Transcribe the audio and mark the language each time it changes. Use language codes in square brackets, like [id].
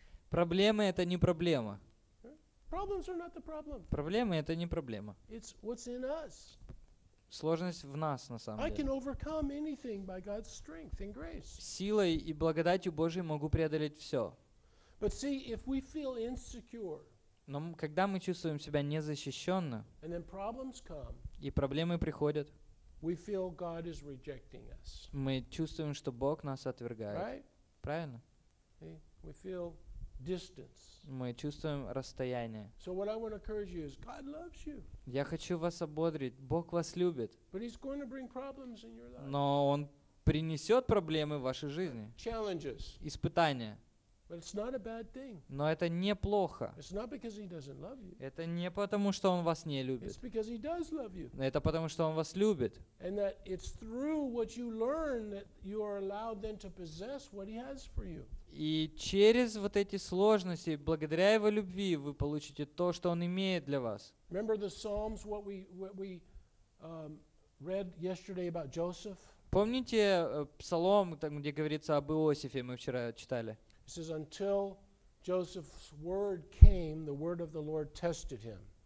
[ru] Проблемы — это не проблема. [en] Problems are not the problem. [ru] Проблемы — это не проблема. [en] It's what's in us. [ru] Сложность в нас, на самом деле. [en] I can overcome anything by God's strength and grace. [ru] Силой и благодатью Божьей могу преодолеть все. [en] But see, if we feel insecure, [ru] но когда мы чувствуем себя незащищенно, [en] and then problems come, [ru] и проблемы приходят, [en] we feel God is rejecting us. [ru] Мы чувствуем, что Бог нас отвергает. [en] Right? [ru] Правильно? [en] We feel distance. [ru] Мы чувствуем расстояние. [en] So what I want to encourage you is God loves you. [ru] Я хочу вас ободрить. Бог вас любит. [en] But he's going to bring problems in your life. [ru] Но он принесет проблемы в вашей жизни. [en] Challenges. [ru] Испытания. [en] But it's not a bad thing. [ru] Но это неплохо. [en] It's not because he doesn't love you. [ru] Это не потому, что он вас не любит. [en] It's because he does love you. [ru] Это потому, что он вас любит. [en] And that it's through what you learn that you are allowed then to possess what he has for you. [ru] И через вот эти сложности, благодаря его любви, вы получите то, что он имеет для вас. [en] Remember the Psalms, what we read yesterday about Joseph? [ru] Помните Псалом, там, где говорится об Иосифе, мы вчера читали? [en] It says, until Joseph's word came, the word of the Lord tested him.